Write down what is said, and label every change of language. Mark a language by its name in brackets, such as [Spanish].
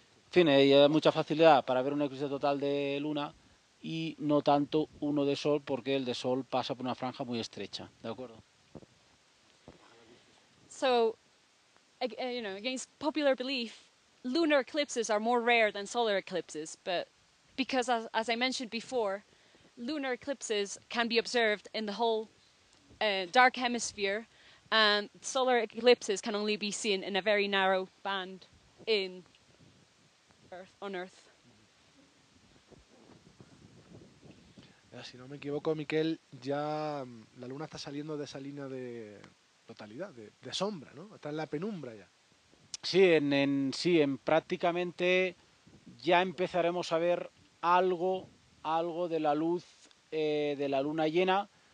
[Spanish] En fin, hay mucha facilidad para ver un eclipse total de luna y no tanto uno de sol, porque el de sol pasa por una franja muy estrecha, ¿de acuerdo? [English] So, you know, against popular belief, lunar eclipses are more rare than solar eclipses, but because as I mentioned before, lunar eclipses can be observed in the whole dark hemisphere, and solar eclipses can only be seen in a very narrow band in Earth. [Spanish] Si no me equivoco, Miquel, ya la luna está saliendo de esa línea de totalidad, de sombra, ¿no? Está en la penumbra ya. Sí, en prácticamente ya empezaremos a ver algo de la luz de la luna llena.